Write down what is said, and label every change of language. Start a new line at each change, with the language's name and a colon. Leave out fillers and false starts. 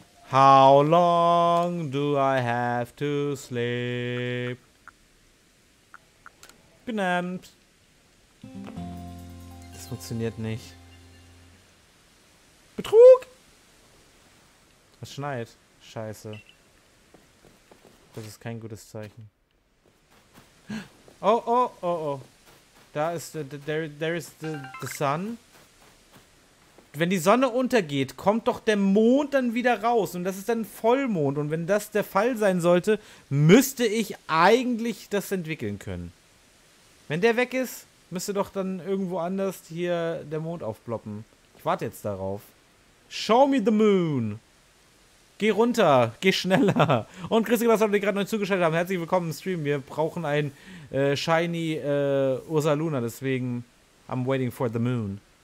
English: How long do I have to sleep?
German: Genannt. Das funktioniert nicht. Betrug! Es schneit. Scheiße. Das ist kein gutes Zeichen. Oh, oh, oh, oh. Da ist
English: the sun.
German: Wenn die Sonne untergeht, kommt doch der Mond dann wieder raus. Und das ist dann Vollmond. Und wenn das der Fall sein sollte, müsste ich eigentlich das entwickeln können. Wenn der weg ist, müsste doch dann irgendwo anders hier der Mond aufploppen. Ich warte jetzt darauf.
English: Show me the moon.
German: Geh runter, geh schneller. Und grüß dich, was wir gerade neu zugeschaltet haben. Herzlich willkommen im Stream. Wir brauchen ein shiny Ursa Luna. Deswegen,
English: I'm waiting for the moon.